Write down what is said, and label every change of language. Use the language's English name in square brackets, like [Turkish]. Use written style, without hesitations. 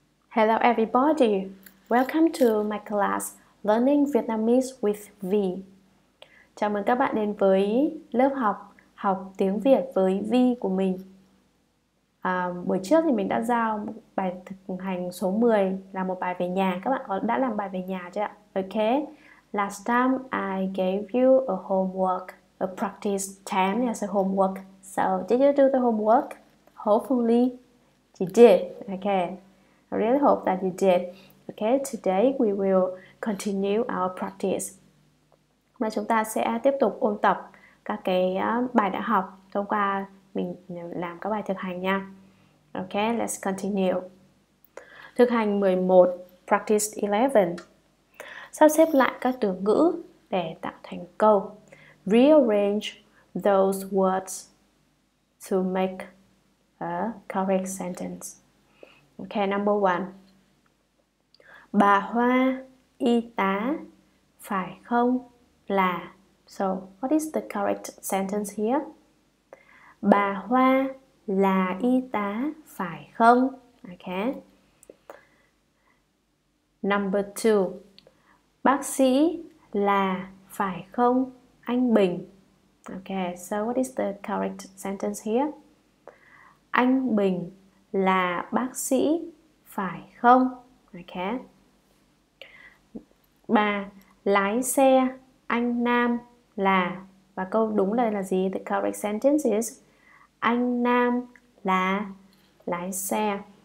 [English] Hello everybody, welcome to my class Learning Vietnamese with V. [Vietnamese] Chào mừng các bạn đến với lớp học học tiếng Việt với V của mình. Buổi trước thì mình đã giao bài thực hành số 10 là một bài về nhà. Các bạn có đã làm bài về nhà chưa ạ? [English] Okay, last time I gave you a homework, a practice 10 as a homework. So did you do the homework? Hopefully you did, okay. I really hope that you did. Okay, today we will continue our practice. [Vietnamese] Và chúng ta sẽ tiếp tục ôn tập các cái bài đã học thông qua mình làm các bài thực hành nha. [English] Okay, let's continue. [Vietnamese] Thực hành 11, [English] practice 11. [Vietnamese] Sắp xếp lại các từ ngữ để tạo thành câu. [English] Rearrange those words to make a correct sentence. Okay, number one. [Vietnamese] Bà Hoa, y tá, phải không là? [English] So, what is the correct sentence here? [Vietnamese] Bà Hoa là y tá, phải không? [English] Okay. Number two. [Vietnamese] Bác sĩ là, phải không, anh Bình? [English] Okay, so what is the correct sentence here? [Vietnamese] Anh Bình là bác sĩ, phải không? [English] Okay. [Vietnamese] Bà lái xe, anh Nam là. Và câu đúng là gì? [English] The correct sentence is [Vietnamese] anh Nam là lái xe.